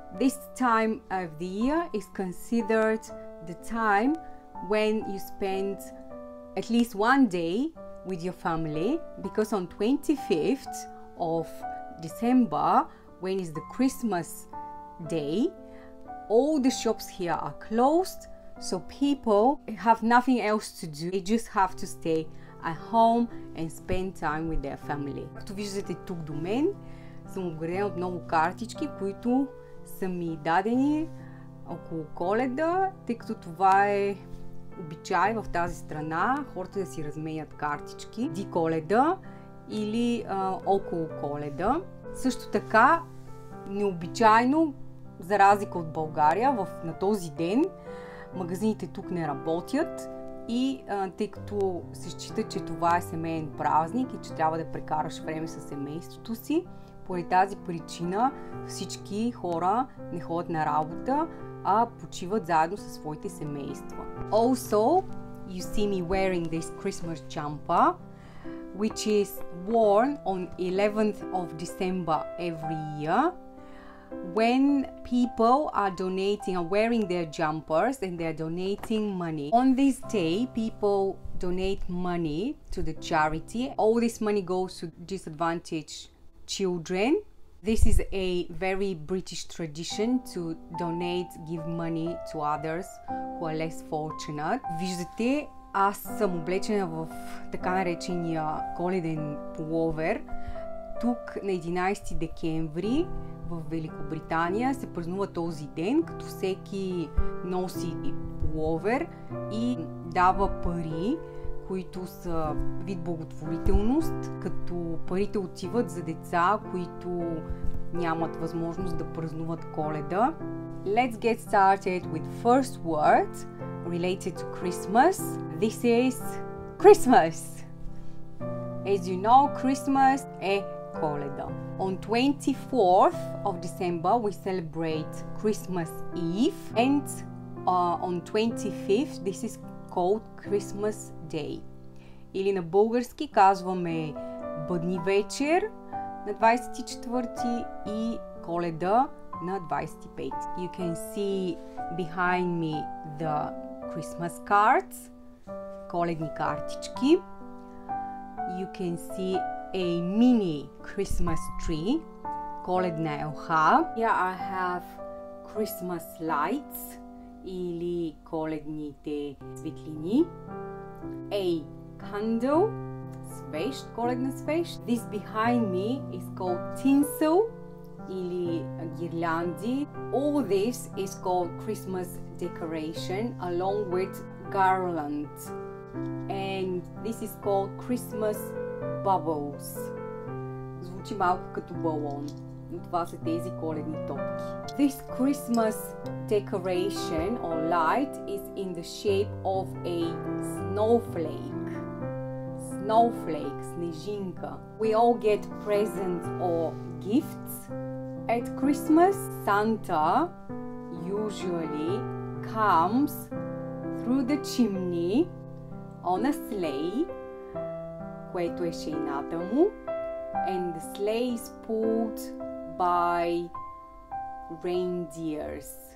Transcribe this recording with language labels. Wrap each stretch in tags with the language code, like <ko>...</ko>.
<en>This time of the year is considered the time when you spend at least one day with your family, because on 25th of December, when is the Christmas day, all the shops here are closed, so people have nothing else to do. They just have to stay at home and spend time with their family.</en> <bg>Както виждате тук до мен, съм обградена от много картички, които са ми дадени около Коледа, тъй като това е обичай в тази страна, хората да си разменят картички до Коледа или около Коледа. Също така, необичайно, за разлика от България, на този ден магазините тук не работят и тъй като се счита, че това е семейен празник и че трябва да прекараш време със семейството си, поради тази причина всички хора не ходят на работа, а почиват заедно със своите семейства.</bg> <en>Also, you see me wearing this Christmas jumper, which is worn on 11th of December every year. When people are donating, are wearing their jumpers and they're donating money. On this day, people donate money to the charity. All this money goes to disadvantaged children. This is a very British tradition to donate, give money to others who are less fortunate.</en> <bg>Виждате, аз съм облечена в така наречения коледен пуловер. Тук на 11 декември в Великобритания се празнува този ден, като всеки носи пуловер и дава пари, които са вид благотворителност, като парите отиват за деца, които нямат възможност да празнуват Коледа.</bg> <en>Let's get started with first word related to Christmas. This is Christmas. As you know, Christmas</en> <bg>е Коледа.</bg> <en>On 24th of December, we celebrate Christmas Eve. And on 25th, this is called Christmas Day.</en> <bg>Или на български казваме Бъдни вечер на 24-ти и Коледа на 25-ти.</bg> <en>You can see behind me the Christmas cards,</en> <bg>коледни картички.</bg> <en>You can see a mini Christmas tree,</en> <bg>коледна елха.</bg> <en>Here I have Christmas lights</en> <bg>или коледните светлини.</bg> <en>A candle,</en> <bg>свещ, коледна свещ.</bg> <en>This behind me is called tinsel</en> <bg>или гирлянди.</bg> <en>All this is called Christmas decoration along with garland. And this is called Christmas bubbles.</en> <bg>Звучи малко като балон, но това са тези коледни топки.</bg> <en>This Christmas decoration or light is in the shape of a snowflake. Snowflake,</en> <bg>снежинка.</bg> <en>We all get presents or gifts at Christmas. Santa usually comes through the chimney on a sleigh,</en> <bg>което е шейната му,</bg> <en>and the sleigh is pulled by reindeers.</en>